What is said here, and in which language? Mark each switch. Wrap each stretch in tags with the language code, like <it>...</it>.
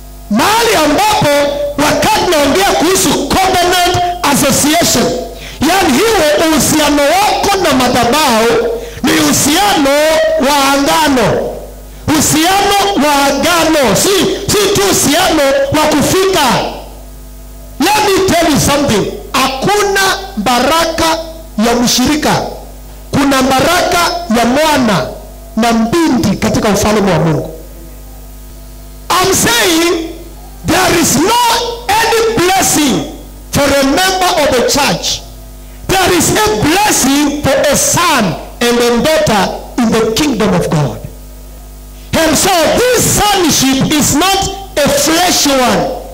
<sw>Mahali ambapo wakati naongea kuhusu covenant association, yani hiyo uhusiano wako na madhabahu ni uhusiano wa agano. Uhusiano wa agano, si tu uhusiano wa kufika.</sw> <en>Let me tell you something.</en> <sw>Hakuna baraka ya mshirika, kuna baraka ya mwana na mbindi katika ufalme wa Mungu.</sw> <en>I'm saying there is no any blessing for a member of the church. There is a blessing for a son and a daughter in the kingdom of God. Himself, this sonship is not a flesh one.</en>